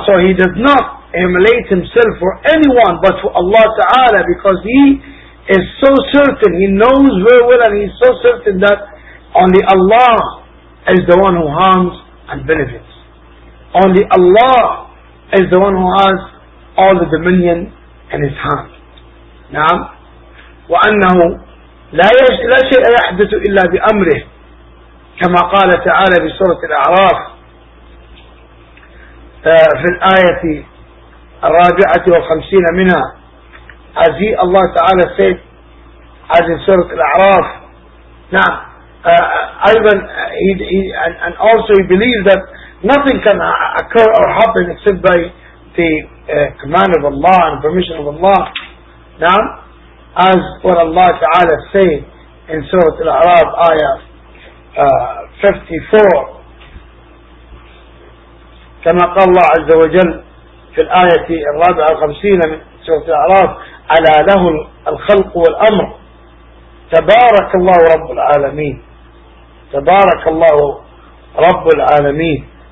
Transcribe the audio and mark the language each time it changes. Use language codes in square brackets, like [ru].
[en] So he does not emulate himself for anyone but for Allah Ta'ala, because he is so certain, he knows very well, and he's so certain that only Allah is the one who harms and benefits. Only Allah is the one who has all the dominion in his hand. [ar] نعم، وأنه لا شيء يحدث إلا بأمره، كما قال تعالى في سورة الأعراف في الآية الرابعة والخمسين منها، عزي الله تعالى السيد هذه سورة الأعراف. نعم أيضا [en] and also he believes that nothing can occur or happen except by the command of Allah and permission of Allah. [ar] نعم [en] as what Allah [ar] تعالى [en] said in [ar] سورة الأعراف آية 54، كما قال الله عز وجل في الآية الرابعة والخمسين من سورة الأعراف، على له الخلق والأمر تبارك الله رب العالمين، تبارك الله رب العالمين.